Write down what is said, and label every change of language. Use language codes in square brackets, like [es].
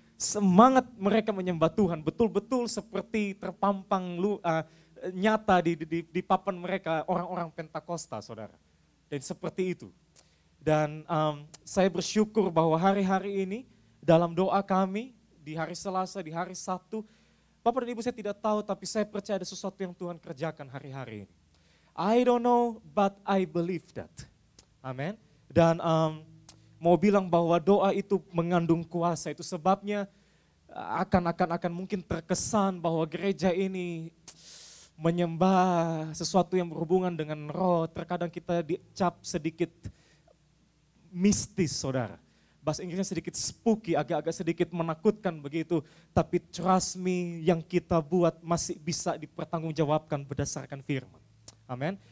[id] Semangat mereka menyembah Tuhan. Betul-betul seperti terpampang nyata di papan mereka orang-orang Pentakosta saudara. Dan seperti itu. Dan saya bersyukur bahwa hari-hari ini dalam doa kami di hari Selasa, di hari Sabtu, Bapak dan Ibu saya tidak tahu tapi saya percaya ada sesuatu yang Tuhan kerjakan hari-hari ini. [en] I don't know but I believe that. Amen. [id] Dan mau bilang bahwa doa itu mengandung kuasa, itu sebabnya akan mungkin terkesan bahwa gereja ini menyembah sesuatu yang berhubungan dengan roh, terkadang kita dicap sedikit mistis saudara, bahasa Inggrisnya sedikit spooky, agak-agak sedikit menakutkan begitu, tapi [en] trust me [id] yang kita buat masih bisa dipertanggungjawabkan berdasarkan firman. Amin.